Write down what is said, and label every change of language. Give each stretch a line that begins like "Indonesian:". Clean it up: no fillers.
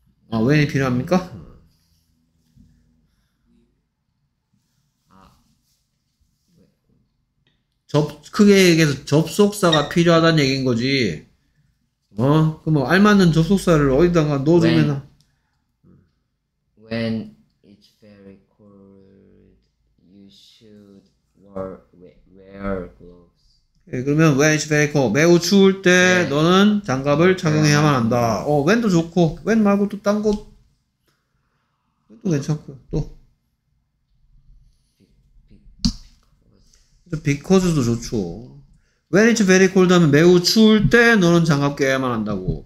Korean: 아, when이 필요합니까? 크게 얘기해서 접속사가 필요하다는 얘기인 거지. 어? 그럼 알맞는 접속사를 어디다가 넣어주면
English: When it's very cold, you should wear gloves.
Korean: 예, 그러면
English: when it's very cold,
Korean: 매우 추울 때 네. 너는 장갑을 착용해야만 한다. 어, when도 좋고, when 말고 또 딴 것도 괜찮고, 또. Because도 좋죠.
English: When it's very cold
Korean: 하면 매우 추울 때 너는 장갑 껴야만 한다고.